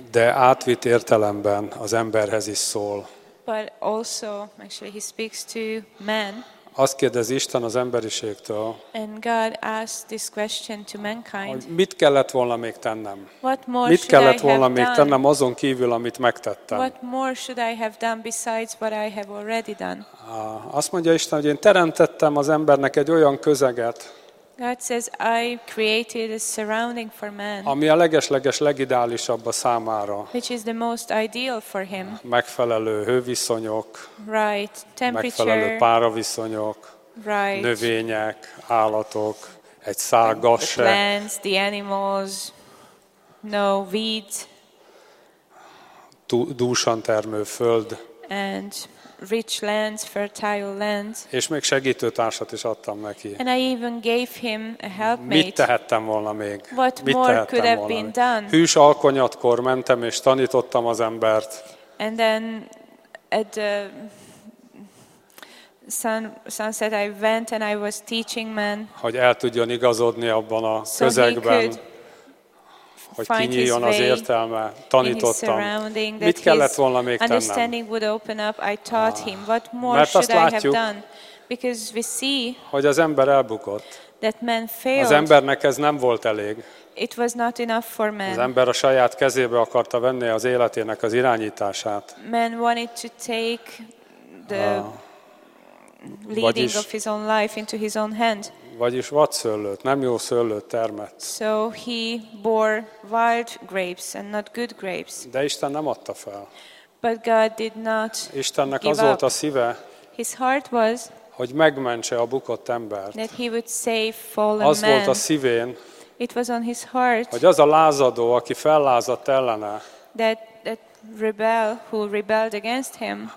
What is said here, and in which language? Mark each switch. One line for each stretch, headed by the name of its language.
Hungarian: De átvitt értelemben az emberhez is szól.
English: But also, actually, he speaks to man.
Hungarian: Azt kérdez Isten az emberiségtől.
English: And God asked this question to mankind.
Hungarian: Mit kellett volna még tennem?
English: What more
Hungarian: mit kellett
English: should I have
Hungarian: még
English: done?
Hungarian: Tennem azon kívül, amit megtettem?
English: What more should I have done besides what I have already done?
Hungarian: Azt mondja Isten, hogy én teremtettem az embernek egy olyan közeget.
English: God says I created a surrounding for man.
Hungarian: Ami a legesleges legideálisabb a számára.
English: Which is the most ideal for him.
Hungarian: Megfelelő hőviszonyok.
English: Right, temperature.
Hungarian: Megfelelő páraviszonyok.
English: Right.
Hungarian: Növények, állatok, egy szárgas.
English: The plants, the animals. No weeds.
Hungarian: Dúsan termő föld.
English: And rich lands, fertile lands.
Hungarian: És még segítőtársat is adtam neki.
English: And I even gave him a helpmate.
Hungarian: Mit tehettem volna még?
English: What
Hungarian: mit
English: more could have been done?
Hungarian: Hűs alkonyatkor mentem és tanítottam az embert.
English: And then at the sunset I went and I was teaching men.
Hungarian: Hogy el tudjon igazodni abban a
English: so
Hungarian: közegben. Hogy kinyíljon az értelme, tanítottam. Mit kellett volna még tennem?
English: Understanding would open up. I taught him. What more should I have done? Because we see.
Hungarian: Hogy az ember elbukott.
English: That man failed.
Hungarian: Az embernek ez nem volt elég.
English: It was not enough for man.
Hungarian: Az ember a saját kezébe akarta venni az életének az irányítását.
English: Man wanted to take the leading of his own life into his own hand.
Hungarian: Vagyis vadszőlőt, nem jó szőlőt termett.
English: So he bore wild grapes and not good grapes.
Hungarian: De Isten nem adta fel.
English: But God did not give up.
Hungarian: Istennek az volt a szíve.
English: His heart was.
Hungarian: Hogy megmentse a bukott embert.
English: That he would save fallen man.
Hungarian: Az volt a szívén.
English: It was on his heart.
Hungarian: Hogy az a lázadó, aki fellázadt ellene.
English: That rebel who rebelled against him.